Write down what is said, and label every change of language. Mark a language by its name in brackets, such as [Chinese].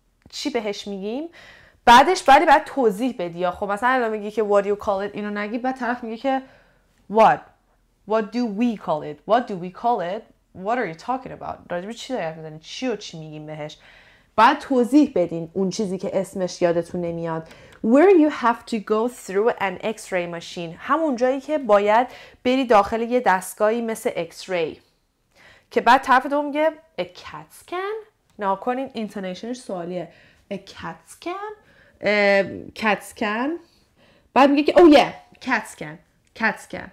[Persian] چی بهش میگیم؟ بعدش بعدی بعد توضیح بدی. خب مثلا الان میگی که [English] What do you call it؟ [Persian] اینو نگی، بعد طرف میگه که [English] What do we call it? What are you talking about? [Persian] راجب چی داری حرف میزنی؟ چی و چی میگیم بهش؟ باید توضیح بدین اون چیزی که اسمش یادتون نمیاد. [English] Where you have to go through an x-ray machine. [Persian] همون جایی که باید بری داخل یه دستگاهی مثل x-ray. که بعد طرف دوم میگه [English] A cat scan؟ [Persian] نها کنین intonationش سوالیه. [English] A cat scan؟ Cat scan؟ [Persian] بعد میگه که [English] Oh yeah, cat scan.